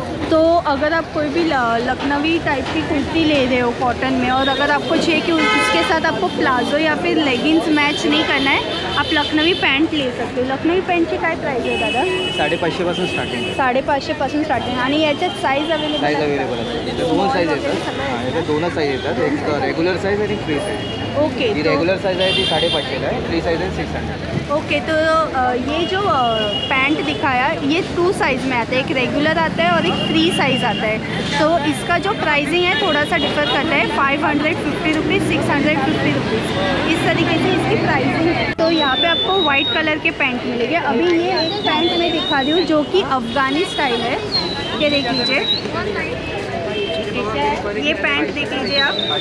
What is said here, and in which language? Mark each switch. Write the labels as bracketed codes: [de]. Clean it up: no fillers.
[hi] तो अगर आप कोई भी लखनवी टाइप की कुर्ती ले रहे हो कॉटन में, और अगर आपको चाहिए कि उसके साथ आपको प्लाजो या फिर लेगिंग्स मैच नहीं करना है, आप लखनवी पैंट ले सकते हो। लखनवी पैंट की क्या प्राइस है दादा? 550 स्टार्टिंग, [mr] 550 पासून स्टार्टिंग, आणि याच्यात साइज अवेलेबल? साइज अवेलेबल आहे, दोन साइज आहेत, दोनच साइज येतात, एक रेगुलर साइज आणि फ्री साइज। [en] okay, [mr] ती रेगुलर साइज आहे ती 550 ला आहे, फ्री साइज आहे 600। [hi] ओके, तो ये जो पैंट दिखाया ये टू साइज में आता है, एक रेगुलर आता है और एक फ्री साइज आता है, तो इसका जो प्राइसिंग है थोड़ा सा डिफर करता है, 550 रुपीज़, 650 रुपीज़, इस तरीके से इसकी प्राइसिंग है। तो यहाँ पे आपको वाइट कलर के पैंट मिलेंगे, अभी ये एक पैंट मैं दिखा रही हूँ जो कि अफगानी स्टाइल है, ये देख लीजिए, ये पैंट देख लीजिए आप,